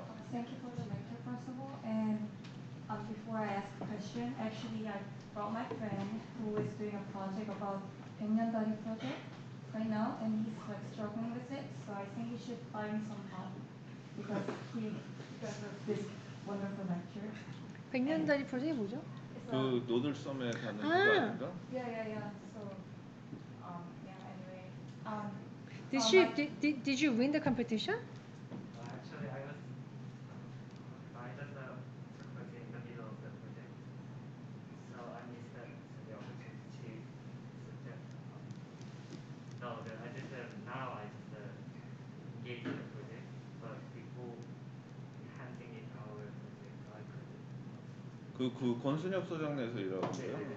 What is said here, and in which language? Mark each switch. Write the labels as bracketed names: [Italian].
[English] Thank you for the lecture, first of all. And before I ask a question, actually, I brought my friend who is doing a project about [Korean] 100년 단위 [English] project right now, and he's like struggling with it. So I think he should find some help because of this wonderful lecture. [Korean] 100년 단위 project 뭐죠? 그 노들섬에 가는 거 아닌가? [English] Yeah. So, Did you win the competition? Actually, I was invited to participate in the middle of the project. So I missed the opportunity to suggest. I just engaged in the project, but before handing it over, I couldn't. [Korean] 그 권순혁 소장님에서 일하고 있어요.